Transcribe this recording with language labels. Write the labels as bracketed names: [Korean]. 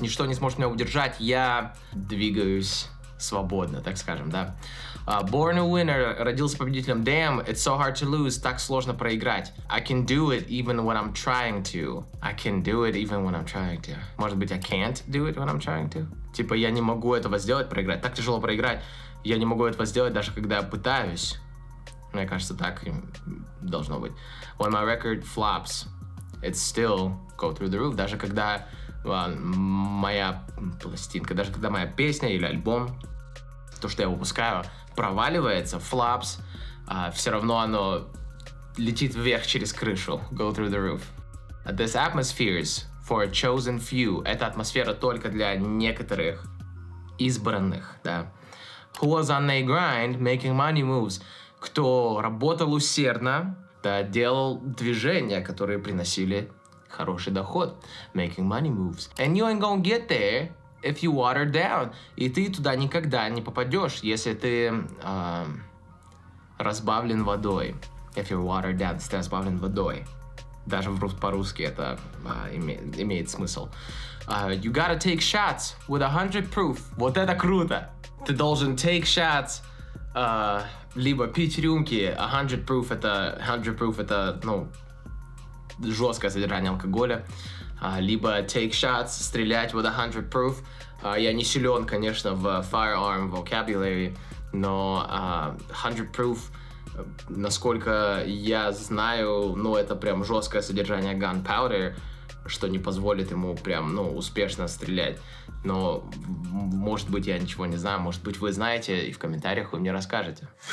[Russian] Ничто не сможет меня удержать. Я двигаюсь свободно, так скажем, да. [English] Born a winner. [Russian] Родился победителем. [English] Damn, it's so hard to lose. [Russian] Так сложно проиграть. [English] I can do it even when I'm trying to. I can do it even when I'm trying to. [Russian] Может быть, [English] I can't do it when I'm trying to? [Russian] Типа, я не могу этого сделать, проиграть. Так тяжело проиграть. Я не могу этого сделать, даже когда я пытаюсь. Мне кажется, так должно быть. [English] When my record flops, it still go through the roof. [Russian] Даже когда моя пластинка, даже когда моя песня или альбом, то, что я выпускаю, проваливается, [English] flops, [Russian] все равно оно летит вверх через крышу. [English] Go through the roof. This atmosphere is for a chosen few. [Russian] Эта атмосфера только для некоторых избранных, да. [English] Who was on the grind, making money moves. [Russian] Кто работал усердно, да, делал движения, которые приносили хороший доход. [English] Making money moves. And you ain't gonna get there if you water down, [Russian] и ты туда никогда не попадешь, если ты разбавлен водой. [English] If you water down, [Russian] если ты разбавлен водой. Даже в по-русски это имеет смысл. [English] You gotta take shots with 100 proof. [Russian] Вот это круто! Ты должен [English] take shots, [Russian] либо пить рюмки. 100 proof — это, 100 proof — это, ну, жесткое содержание алкоголя. Либо [English] take shots, [Russian] стрелять [English] with 100 proof. [Russian] Я не силен, конечно, в [English] firearm vocabulary, [Russian] но 100 proof, насколько я знаю, ну, это прям жесткое содержание [English] gunpowder, [Russian] что не позволит ему прям, ну, успешно стрелять. Но, может быть, я ничего не знаю, может быть, вы знаете, и в комментариях вы мне расскажете.